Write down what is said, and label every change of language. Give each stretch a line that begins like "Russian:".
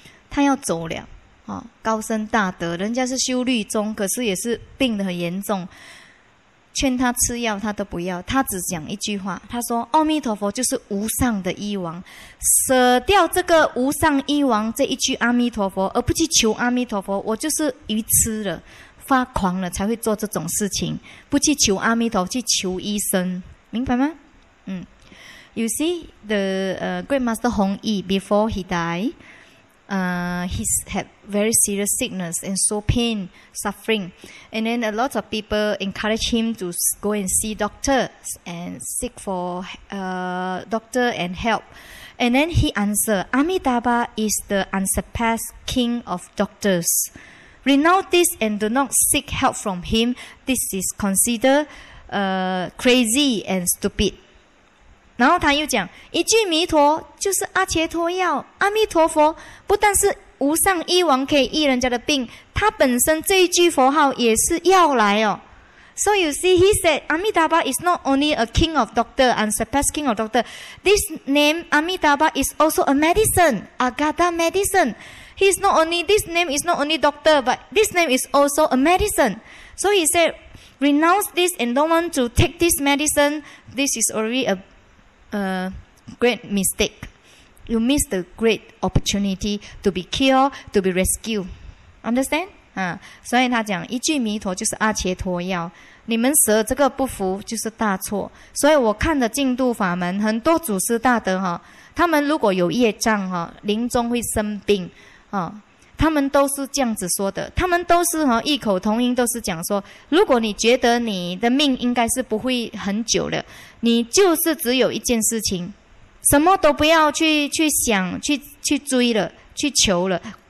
Chinese: 他要走了，高僧大德，人家是修律宗，可是也是病得很严重，劝他吃药他都不要，他只讲一句话，他说阿弥陀佛就是无上的医王，舍掉这个无上医王这一句阿弥陀佛，而不去求阿弥陀佛，我就是愚痴了，发狂了，才会做这种事情，不去求阿弥陀佛，去求医生，明白吗？
English: You see the great master Hong Yi before he died, he had very serious sickness and so pain, suffering. And then a lot of people encouraged him to go and see doctors and seek for doctor and help. And then he answered, Amitabha is the unsurpassed king of doctors. Renounce this and do not seek help from him. This is considered crazy and stupid.
Chinese: 然后他又讲一句弥陀就是阿伽陀药，阿弥陀佛不但是无上医王可以医人家的病，他本身这一句佛号也是药来哦。
English: So you see, he said, Amitabha is not only a king of doctor, unsurpassed king of doctor. This name Amitabha is also a medicine, Agatha medicine. He's not only this name is not only doctor, but this name is also a medicine. So he said, renounce this and don't want to take this medicine. This is already a great mistake. You miss the great opportunity to be cured, to be rescued. Understand?
Chinese: 所以他讲一句弥陀就是阿伽陀药，你们舍这个不服就是大错。所以我看的净土法门，很多祖师大德，他们如果有业障，临终会生病，他们都是这样子说的，他们都是异口同音，都是讲说，如果你觉得你的命应该是不会很久了，你就是只有一件事情，什么都不要去想，去追了，去求了，